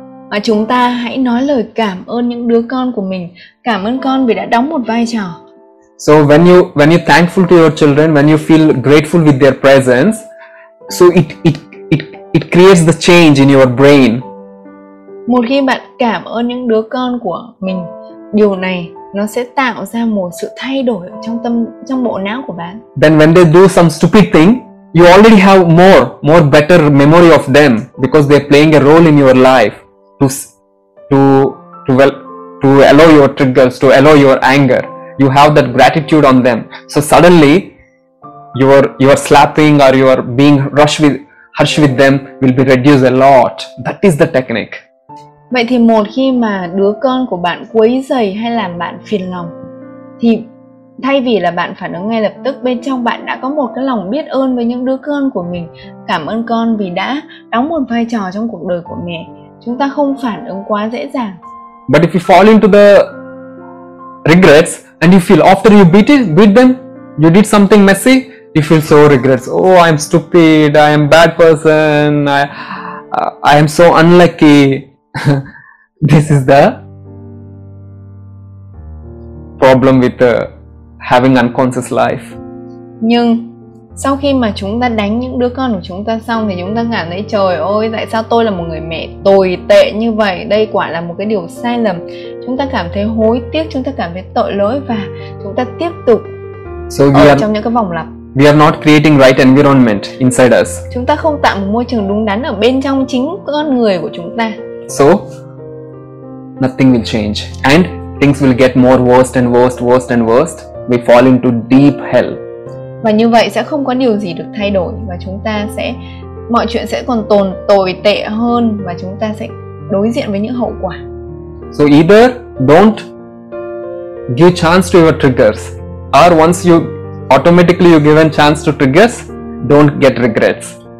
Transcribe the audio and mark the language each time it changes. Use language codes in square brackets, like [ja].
[vi] Và chúng ta hãy nói lời cảm ơn những đứa con của mình, cảm ơn con vì đã đóng một vai trò. [en] So when you thankful to your children, when you feel grateful with their presence, so it creates the change in your brain. [vi] Một khi bạn cảm ơn những đứa con của mình, điều này nó sẽ tạo ra một sự thay đổi trong bộ não của bạn. [en] Then when they do some stupid thing, you already have more better memory of them because they're playing a role in your life to allow your triggers, to allow your anger. You have that gratitude on them. So suddenly your slapping or your being harsh with them will be reduced a lot. That is the technique. [vi] Vậy thì một khi mà đứa con của bạn quấy rầy hay làm bạn phiền lòng, thì thay vì là bạn phản ứng ngay lập tức, bên trong bạn đã có một cái lòng biết ơn với những đứa con của mình. Cảm ơn con vì đã đóng một vai trò trong cuộc đời của mẹ. Chúng ta không phản ứng quá dễ dàng. [en] But if you fall into the regrets and you feel after you beat them, you did something messy, you feel so regrets. Oh, I'm stupid, I am bad person, I am so unlucky. This is the problem with having unconscious life. [vi] Nhưng sau khi mà chúng ta đánh những đứa con của chúng ta xong thì chúng ta cảm thấy trời ơi, tại sao tôi là một người mẹ tồi tệ như vậy? Đây quả là một cái điều sai lầm. Chúng ta cảm thấy hối tiếc, chúng ta cảm thấy tội lỗi và chúng ta tiếp tục trong những cái vòng lặp. [en] We are not creating right environment inside us. [vi] Chúng ta không tạo một môi trường đúng đắn ở bên trong chính con người của chúng ta. [en] So nothing will change and things will get more worse and worse. We fall into deep hell. [vi] Và như vậy sẽ không có điều gì được thay đổi và chúng ta sẽ mọi chuyện sẽ còn tồi tệ hơn và chúng ta sẽ đối diện với những hậu quả. [en] So either don't give chance to your triggers, or once you automatically you given chance to triggers, don't get regrets.